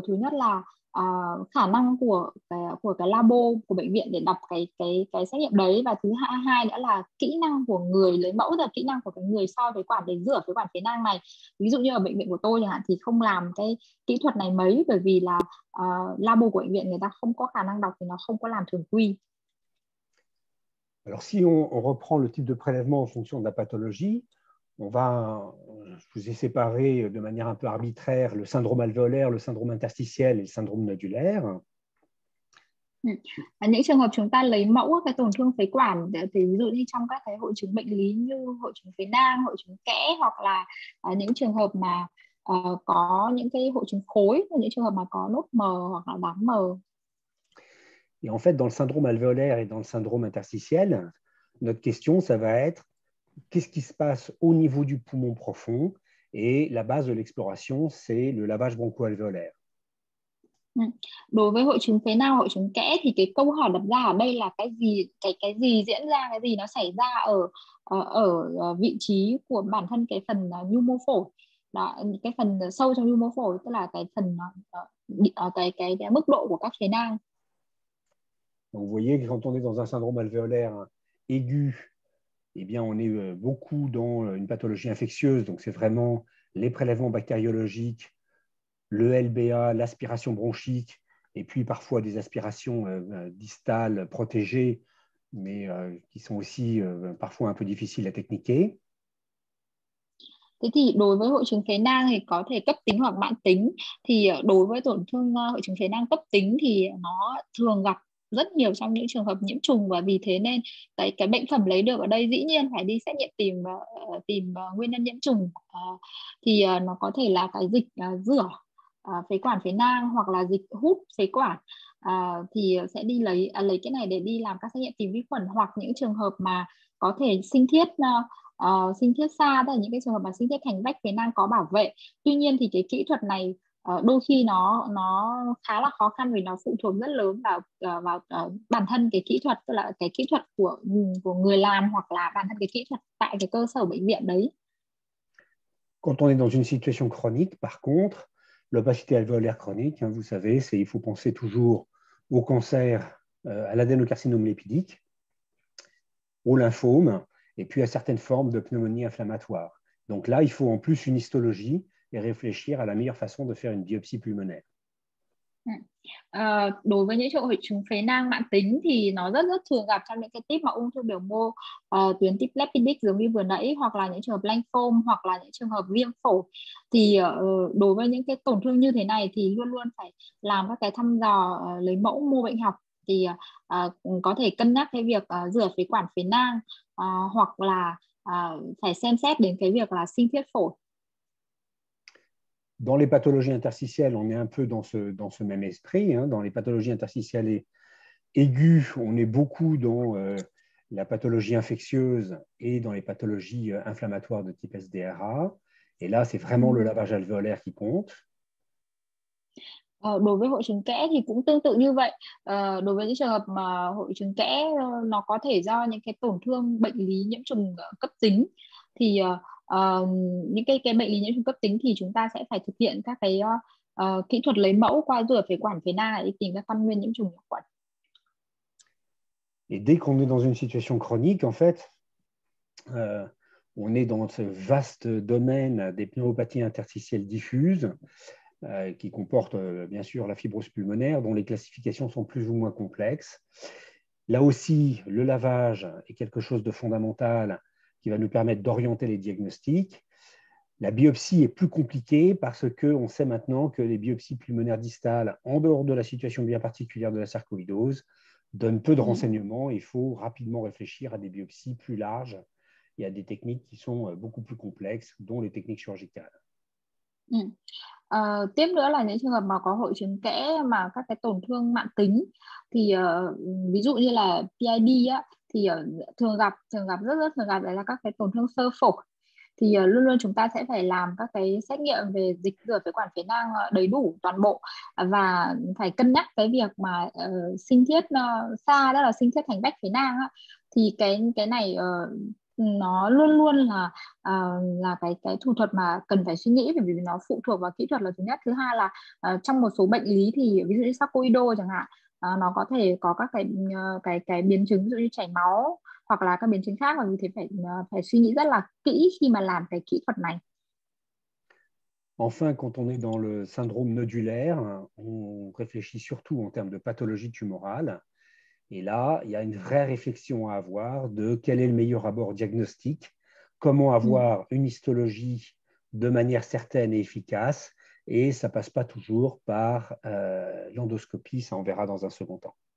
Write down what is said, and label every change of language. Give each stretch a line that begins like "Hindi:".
Vietnamese: Thứ nhất là khả năng của cái labo của bệnh viện để đọc cái xét nghiệm đấy, và thứ hai nữa là kỹ năng của người lấy mẫu, là kỹ năng của cái người soi phế quản để rửa phế quản phế nang này. Ví dụ như ở bệnh viện của tôi chẳng hạn thì không làm cái kỹ thuật này mấy, bởi vì là labo của bệnh viện người ta không có khả năng đọc thì nó không có làm thường quy.
French: Alors, si on reprend le type de prélèvement en fonction de la pathologie, je vous ai séparé de manière un peu arbitraire le syndrome alvéolaire, le syndrome interstitiel et le syndrome nodulaire.
Vietnamese: À những trường hợp chúng ta lấy mẫu cái tổn thương phế quản, thì ví dụ như trong các cái hội chứng bệnh lý như hội chứng phế nang, hội chứng kẽ, hoặc là những trường hợp mà có những cái hội chứng khối, những trường hợp mà có nốt mờ hoặc là đám mờ.
French: Et en fait, dans le syndrome alvéolaire et dans le syndrome interstitiel, notre question, ça va être qu'est-ce qui se passe au niveau du poumon profond? Et la base de l'exploration, c'est le lavage broncho-alvéolaire.
Vietnamese: Đối với hội chứng phế nang, hội chứng kẽ, thì cái câu hỏi đặt ra ở đây là cái gì diễn ra, cái gì nó xảy ra ở vị trí của bản thân cái phần nhu mô phổi, đó, cái phần sâu trong nhu mô phổi, tức là cái phần cái mức độ của các phế nang.
French: Donc, vous voyez que quand on est dans un syndrome alvéolaire aigu, eh bien, on est beaucoup dans une pathologie infectieuse. Donc, c'est vraiment les prélèvements bactériologiques, le LBA, l'aspiration bronchique, et puis parfois des aspirations distales protégées, mais qui sont aussi parfois un peu difficiles à techniquer.
Vietnamese: Thế thì đối với hội chứng phế nang thì có thể cấp tính hoặc mãn tính. Thì đối với tổn thương hội chứng phế nang cấp tính thì nó thường gặp rất nhiều trong những trường hợp nhiễm trùng, và vì thế nên cái bệnh phẩm lấy được ở đây dĩ nhiên phải đi xét nghiệm tìm nguyên nhân nhiễm trùng. Thì nó có thể là cái dịch rửa phế quản phế nang hoặc là dịch hút phế quản, thì sẽ đi lấy cái này để đi làm các xét nghiệm tìm vi khuẩn, hoặc những trường hợp mà có thể sinh thiết xa, tức là những cái trường hợp mà sinh thiết thành vách phế nang có bảo vệ. Tuy nhiên thì cái kỹ thuật này đôi khi nó khá là khó khăn, vì nó phụ thuộc rất lớn vào bản thân cái kỹ thuật, tức là cái kỹ thuật của người làm, hoặc là bản thân cái kỹ thuật tại cái cơ sở bệnh viện đấy.
French: Quand on est dans une situation chronique, par contre, l'opacité alvéolaire chronique, hein, vous savez, c'est il faut penser toujours au cancer, à l'adénocarcinome lipidique, au lymphome, et puis à certaines formes de pneumonie inflammatoire. Donc là, il faut en plus une histologie et réfléchir à la meilleure façon de faire une biopsie pulmonaire.
Vietnamese: Đối với những triệu hội chứng phế nang mãn tính thì nó rất rất thường gặp trong những cái tip mà ung thư biểu mô tuyến tip lipidic giống như vừa nãy, hoặc là những trường hợp lymphoma, hoặc là những trường hợp viêm phổi. Thì đối với những cái tổn thương như thế này thì luôn luôn phải làm các cái thăm dò lấy mẫu mô bệnh học, thì có thể cân nhắc cái việc rửa phế quản phế nang, hoặc là phải xem xét đến cái việc là sinh thiết phổi.
French: Dans les pathologies interstitielles, on est un peu dans ce même esprit. Hein. Dans les pathologies interstitielles aiguës, on est beaucoup dans la pathologie infectieuse et dans les pathologies inflammatoires de type SDRA. Et là, c'est vraiment le lavage alvéolaire qui compte.
Vietnamese: Đối với hội chứng kẽ thì cũng tương tự như vậy. Đối với những trường hợp mà hội chứng kẽ nó có thể do những cái tổn thương bệnh lý nhiễm trùng cấp tính, thì những cái bệnh lý nhiễm trùng cấp tính thì chúng ta sẽ phải thực hiện các cái kỹ thuật lấy mẫu qua rửa phế quản phế nang để tìm ra căn nguyên nhiễm trùng nhiễm khuẩn.
French: Et dès qu'on est dans une situation chronique, en fait, on est dans ce vaste domaine des pneumopathies interstitielles diffuses, qui comporte bien sûr la fibrose pulmonaire, dont les classifications sont plus ou moins complexes. Là aussi, le lavage est quelque chose de fondamental qui va nous permettre d'orienter les diagnostics. La biopsie est plus compliquée parce qu'on sait maintenant que les biopsies pulmonaires distales, en dehors de la situation bien particulière de la sarcoïdose, donnent peu de renseignements. Il faut rapidement réfléchir à des biopsies plus larges et à des techniques qui sont beaucoup plus complexes, dont les techniques chirurgicales.
Vietnamese: Tiếp nữa là những trường hợp mà có hội chứng kẽ mà các cái tổn thương mạn tính, thì ví dụ như là PID á, thì thường gặp đấy là các cái tổn thương sơ phổi, thì luôn luôn chúng ta sẽ phải làm các cái xét nghiệm về dịch rửa phế quản phế nang đầy đủ toàn bộ, và phải cân nhắc cái việc mà sinh thiết xa, đó là sinh thiết thành bách phế nang á, thì cái này nó luôn luôn là cái thủ thuật mà cần phải suy nghĩ, bởi vì nó phụ thuộc vào kỹ thuật là thứ nhất. Thứ hai là trong một số bệnh lý thì ví dụ như sarcoido chẳng hạn, nó có thể có các cái biến chứng ví dụ như chảy máu hoặc là các biến chứng khác, và vì thế phải suy nghĩ rất là kỹ khi mà làm cái kỹ thuật này.
French: Enfin, quand on est dans le syndrome nodulaire, on réfléchit surtout en termes de pathologie tumorale. Et là, il y a une vraie réflexion à avoir de quel est le meilleur abord diagnostique, comment avoir une histologie de manière certaine et efficace, et ça ne passe pas toujours par l'endoscopie, ça on verra dans un second temps.